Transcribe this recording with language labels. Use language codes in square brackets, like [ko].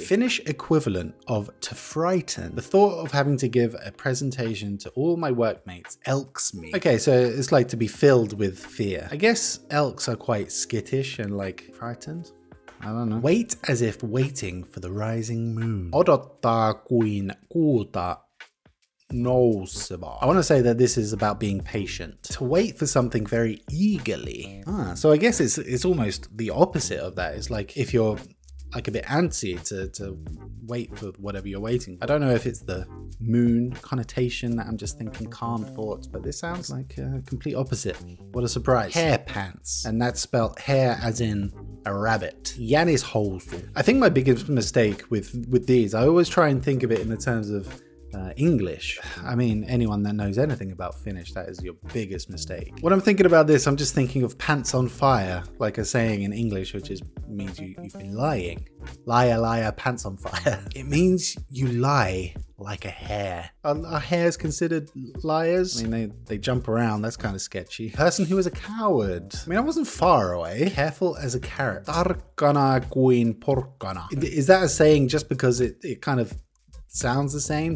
[en] Finnish equivalent of to frighten. The thought of having to give a presentation to all my workmates elks me. Okay, so it's like to be filled with fear. I guess elks are quite skittish and like frightened. I don't know. Wait as if waiting for the rising moon. [fi] Odottaa kuin kuuta nousevaa. [en] I want to say that this is about being patient. To wait for something very eagerly. Ah, so I guess it's almost the opposite of that. It's like if you're like a bit antsy to wait for whatever you're waiting for. I don't know if it's the moon connotation that I'm just thinking calm thoughts, but this sounds like a complete opposite. What a surprise. Hair pants. And that's spelled hair as in a rabbit. [fi] Janis housu. [en] I think my biggest mistake with these, I always try and think of it in the terms of English. I mean, anyone that knows anything about Finnish, that is your biggest mistake. When I'm thinking about this, I'm just thinking of pants on fire, like a saying in English, which is means you've been lying. Liar, liar, pants on fire. It means you lie like a hare. Are hares considered liars? I mean, they jump around. That's kind of sketchy. Person who is a coward. I mean, I wasn't far away. Careful as a carrot. [fi] Tarkkana kuin porkkana. [en] Is that a saying just because it kind of sounds the same?